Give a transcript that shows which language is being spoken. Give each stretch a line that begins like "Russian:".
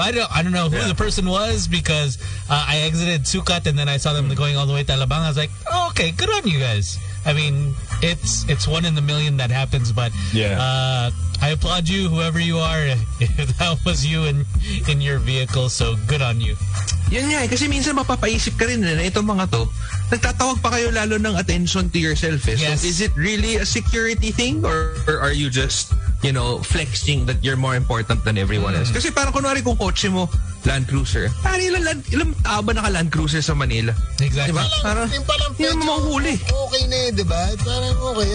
English: I don't know who the person was, because I exited Sukat and then I saw them going all the way to Alabang. I was like, oh, okay, good on you guys. I mean, it's one in the million that happens, but I applaud you, whoever you are, if that was you in your vehicle, so good on you.
Filipino: Yun nga, kasi minsan mapapaisip ka rin na itong mga to, nagtatawag pa kayo lalo ng
English: attention to yourself. Eh. Yes. So is it really a security thing, or are you just, you know, flexing that you're more important than everyone else?
Filipino: Kasi parang kunwari kung kotse mo, Land Cruiser. Parang ilang tao ba naka Land Cruiser sa Manila?
English: Exactly. Diba?
Filipino: Parang, yung palang pecho, yung mahuli. Okay na eh, diba? Parang okay.